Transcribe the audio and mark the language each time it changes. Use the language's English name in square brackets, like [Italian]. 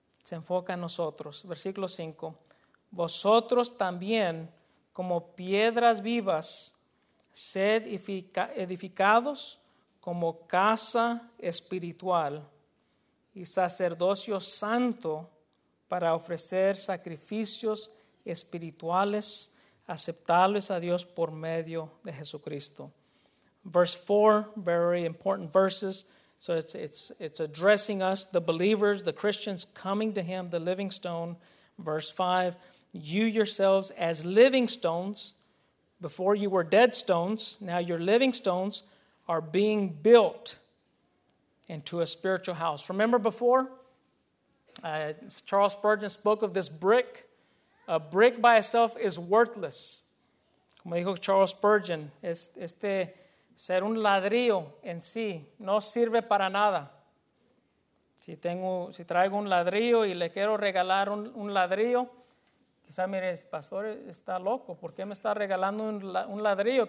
[Spanish] se enfoca en nosotros. Versículo 5. Vosotros también, como piedras vivas, sed edificados como casa espiritual y sacerdocio santo para ofrecer sacrificios espirituales aceptables a Dios por medio de Jesucristo. [English] Verse 4, very important verses. So it's addressing us, the believers, the Christians coming to him, the living stone. Verse 5, you yourselves as living stones, before you were dead stones, now your living stones are being built into a spiritual house. Remember before, Charles Spurgeon spoke of this brick. A brick by itself is worthless. [Spanish] Como dijo Charles Spurgeon, este ser un ladrillo en sí no sirve para nada. Si traigo un ladrillo y le quiero regalar un ladrillo, quizá mire, pastor está loco, ¿por qué me está regalando un ladrillo?